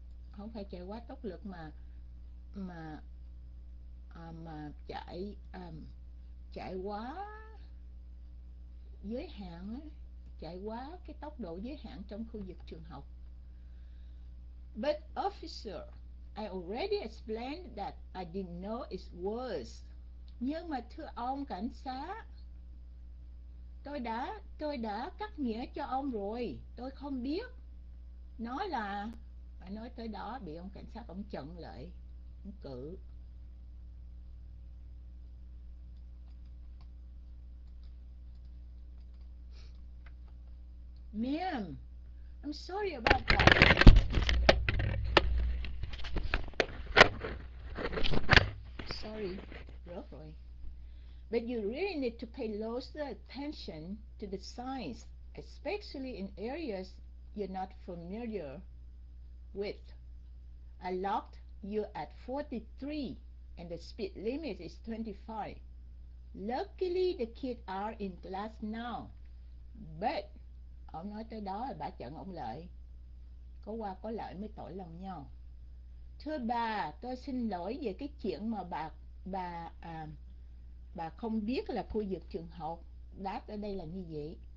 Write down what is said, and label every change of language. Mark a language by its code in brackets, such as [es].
[vi] Không phải chạy quá tốc lực mà chạy chạy quá giới hạn, chạy quá cái tốc độ giới hạn trong khu vực trường học. [en] "But officer, I already explained that I didn't know it was." [vi] Nhưng mà thưa ông cảnh sát, tôi đã cắt nghĩa cho ông rồi, tôi không biết. Nói là phải nói tới đó bị ông cảnh sát ông chặn lại, ông cử. [en] "Ma'am, I'm sorry about that." Sorry, [vi] rớt rồi. [en] "But you really need to pay closer attention to the signs, especially in areas you're not familiar with. I locked you at 43 and the speed limit is 25. Luckily, the kids are in class now." [vi] But, ông nói tới đó là bà chặn ông lại. Có qua có lại mới tỏ lòng nhau. "Thưa bà, tôi xin lỗi về cái chuyện mà bà không biết là khu vực trường học đáp ở đây là như vậy.